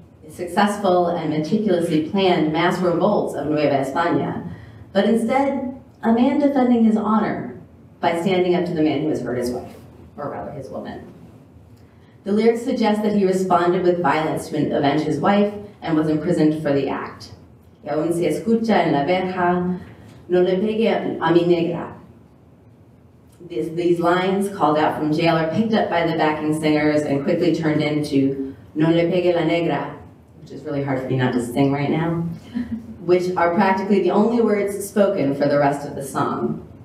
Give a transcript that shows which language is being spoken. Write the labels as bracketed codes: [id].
[en] successful and meticulously planned mass revolts of Nueva España, but instead a man defending his honor by standing up to the man who has hurt his wife, or rather his woman. The lyrics suggest that he responded with violence to avenge his wife and was imprisoned for the act. [es] Y aún si escucha en la verja, no le pegue a mi negra. [en] These lines called out from jail are picked up by the backing singers and quickly turned into [es] no le pegue la negra, [en] which is really hard for me not to sing right now, which are practically the only words spoken for the rest of the song.